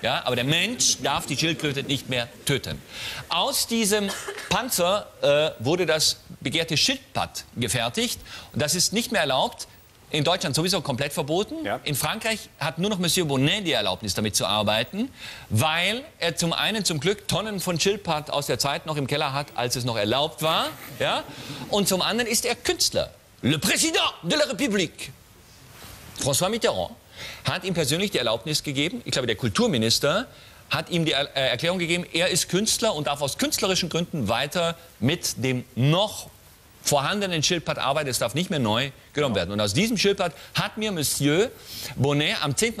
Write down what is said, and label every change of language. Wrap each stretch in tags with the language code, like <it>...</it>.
<de>Ja, aber der Mensch darf die Schildkröte nicht mehr töten. Aus diesem Panzer wurde das begehrte Schildpatt gefertigt. Und das ist nicht mehr erlaubt. In Deutschland sowieso komplett verboten. Ja. In Frankreich hat nur noch Monsieur Bonnet die Erlaubnis, damit zu arbeiten. Weil er zum einen zum Glück Tonnen von Schildpatt aus der Zeit noch im Keller hat, als es noch erlaubt war. Ja? Und zum anderen ist er Künstler.</de> <fr>Le Président de la République. François Mitterrand.</fr> <de>Hat ihm persönlich die Erlaubnis gegeben, ich glaube, der Kulturminister hat ihm die Erklärung gegeben, er ist Künstler und darf aus künstlerischen Gründen weiter mit dem noch vorhandenen Schildpatt arbeiten, es darf nicht mehr neu genommen werden. Und aus diesem Schildpatt hat mir Monsieur Bonnet am 10.</de>